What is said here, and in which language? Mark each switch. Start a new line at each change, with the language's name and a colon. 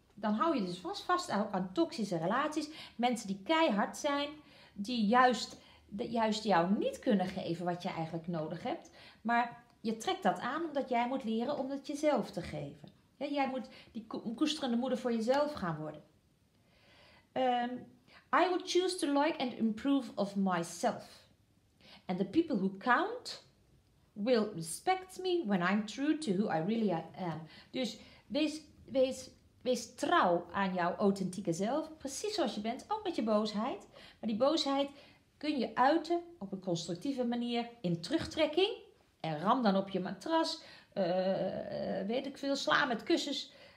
Dutch: Dan hou je dus vast aan toxische relaties. Mensen die keihard zijn, die juist jou niet kunnen geven wat je eigenlijk nodig hebt. Maar je trekt dat aan omdat jij moet leren om het jezelf te geven. Ja, jij moet die koesterende moeder voor jezelf gaan worden.
English: I would choose to like and improve of myself. And the people who count will respect me when I'm true to who I really am.
Dutch: Dus wees trouw aan jouw authentieke zelf. Precies zoals je bent, ook met je boosheid. Maar die boosheid kun je uiten op een constructieve manier in terugtrekking. En ram dan op je matras. Weet ik veel, sla met kussens.